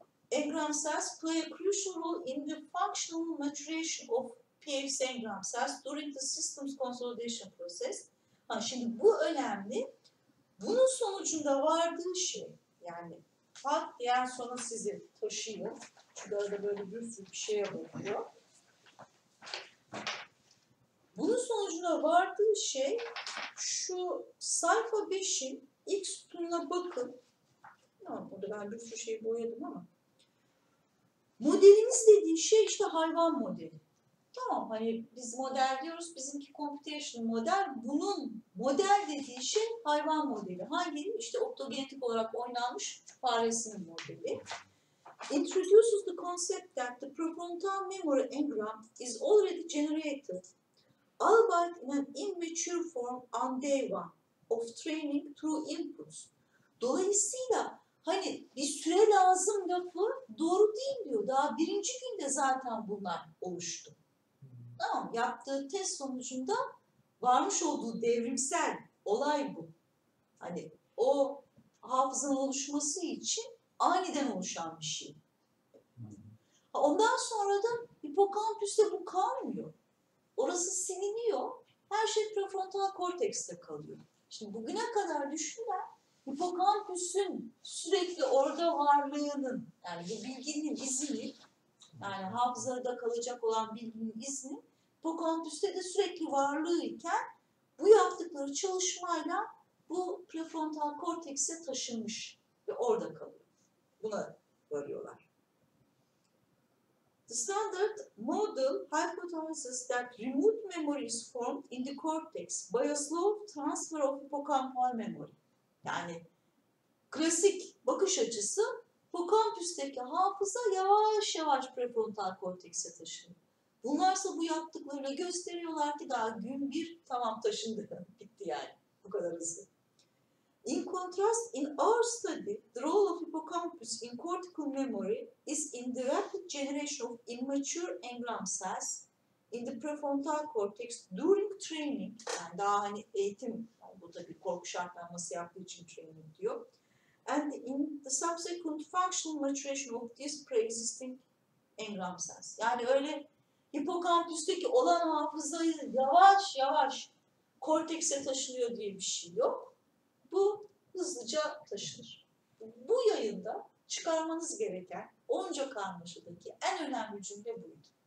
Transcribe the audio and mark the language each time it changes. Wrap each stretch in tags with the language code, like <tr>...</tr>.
<en>Engram cells play a crucial role in the functional maturation of PFC engram cells during the systems consolidation process.</en> <tr>Ha, şimdi bu önemli. Bunun sonucunda vardığı şey, yani fark diyen sonra sizi taşıyor. Şu arada böyle bir sürü bir şeye bakıyor. Bunun sonucunda vardığı şey şu sayfa 5'in ilk sütununa bakın. Tamam, burada ben bir sürü şeyi boyadım ama. Modelimiz dediği şey işte hayvan modeli. Tamam, hani biz model diyoruz, bizimki computational model. Bunun model dediği şey hayvan modeli. Hangi? İşte optogenetik olarak oynanmış faresinin modeli.</tr> <en>Introduces the concept that the prefrontal memory engram is already generated, albeit in an immature form on day one of training through inputs.</en> <tr>Dolayısıyla hani bir süre lazım lafı doğru değil diyor. Daha birinci günde zaten bunlar oluştu. Tamam, yaptığı test sonucunda varmış olduğu devrimsel olay bu. Hani o hafızanın oluşması için aniden oluşan bir şey. Ondan sonra da hipokampüste bu kalmıyor. Orası siliniyor. Her şey prefrontal kortekste kalıyor. Şimdi bugüne kadar düşünün, hipokampüsün sürekli orada varlığının, yani bu bilginin izini, yani hafızada kalacak olan bilginin izini, hipokampüste de sürekli varlığıyken bu yaptıkları çalışmayla bu prefrontal kortekse taşınmış ve orada kalıyor. Buna varıyorlar.</tr> <en>The standard model hypothesis that remote memory is formed in the cortex by a slow transfer of hippocampal memory.</en> <tr>Yani klasik bakış açısı hipokampüsteki hafıza yavaş yavaş prefrontal kortekse taşınıyor. Bunlarsa bu yaptıklarıyla gösteriyorlar ki daha gün bir tamam taşındı, bitti yani bu kadar hızlı.</tr> <en>In contrast, in our study, the role of hippocampus in cortical memory is in the rapid generation of immature engram cells in the prefrontal cortex during training.</en> <tr>Yani daha hani eğitim, bu tabi korku şartlanması yaptığı için training diyor.</tr> <en>And in the subsequent functional maturation of these pre-existing engram cells.</en> <tr>Yani öyle hipokampüsteki olan hafızayı yavaş yavaş kortekse taşınıyor diye bir şey yok. Bu hızlıca taşınır. Bu yayında çıkarmanız gereken onca karmaşadaki en önemli cümle buydu.</tr>